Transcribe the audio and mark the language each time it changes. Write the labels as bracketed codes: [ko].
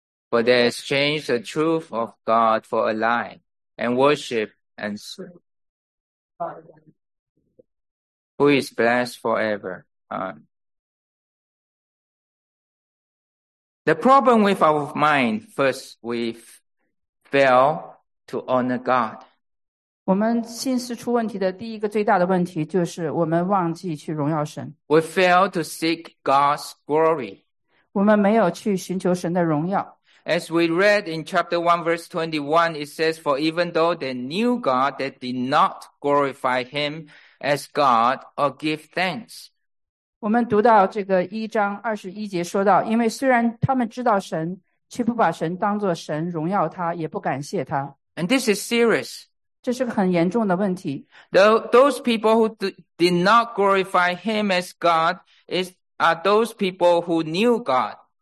[en] For they exchanged the truth of God for a lie, and worship and who is blessed forever. The problem with our mind, first, we fail to honor God. [zh] 我们心思出问题的第一个最大的问题就是我们忘记去荣耀神。 [en] We fail to seek God's glory. [zh] 我们没有去寻求神的荣耀。 [en] As we read in chapter 1, verse 21, it says, For even though they knew God, they did not glorify him as God or give thanks. [zh] 我们读到这个1章21节说到, 因为虽然他们知道神,却不把神当作神,荣耀他,也不感谢他。 [en] And this is serious. [zh] 这是个很严重的问题。 [en] Those people who did not glorify him as God are those people who knew God.